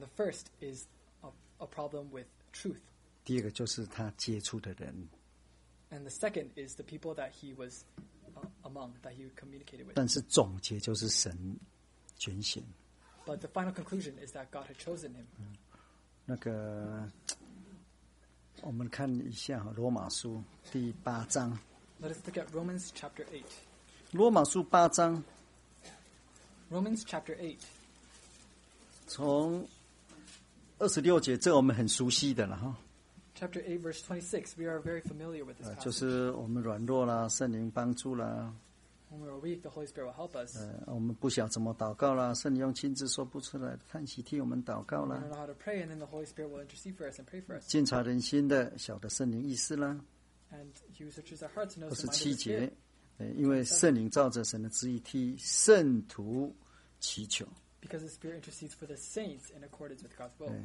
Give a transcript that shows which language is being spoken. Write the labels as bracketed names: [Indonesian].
[English] the first is a problem with truth. And the second is the people that he was among, that he communicated with. [Chinese] 但是总结就是神拣选, [English] but the final conclusion is that God had chosen him. [Chinese] 我们看一下罗马书第八章, [English] let us look at Romans chapter 8. [Chinese] 罗马书八章, [English] Romans chapter 8. [Chinese] 从26节, 这我们很熟悉的了, [English] Chapter 8, verse 26. We are very familiar with this passage. [Chinese] 就是我们软弱啦, 圣灵帮助啦, [English] when we are weak, the Holy Spirit will help us. [Chinese] 我们不晓怎么祷告啦, 圣灵用亲自说不出来, 叹息替我们祷告啦, [English] we don't know how to pray, and then the Holy Spirit will intercede for us and pray for us. [Chinese] 监察人心的, 晓得圣灵意思啦, [English] and he who searches our hearts knows [Chinese] 27节, [English] the mind of the Spirit. [Chinese] 因为圣灵照着神的旨意替圣徒祈求, [English] because the Spirit intercedes for the saints in accordance with God's will.